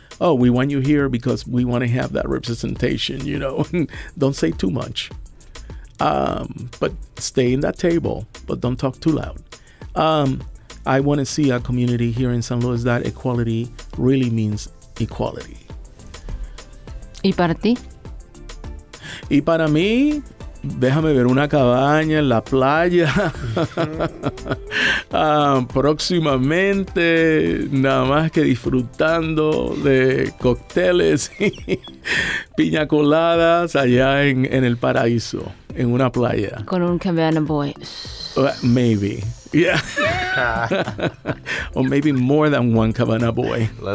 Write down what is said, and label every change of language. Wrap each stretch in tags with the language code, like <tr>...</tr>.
<en>oh, we want you here because we want to have that representation, you know. Don't say too much. But stay in that table, but don't talk too loud. I want to see a community here in San Luis that equality really means equality.</en> <es>¿Y para ti? Y para mí, déjame ver una cabaña en la playa. próximamente, nada más que disfrutando de cócteles y piña coladas allá en el paraíso, en una playa. Con un cabana boy.</es> <en>Maybe. Yeah. Or maybe more than one cabana boy.</en>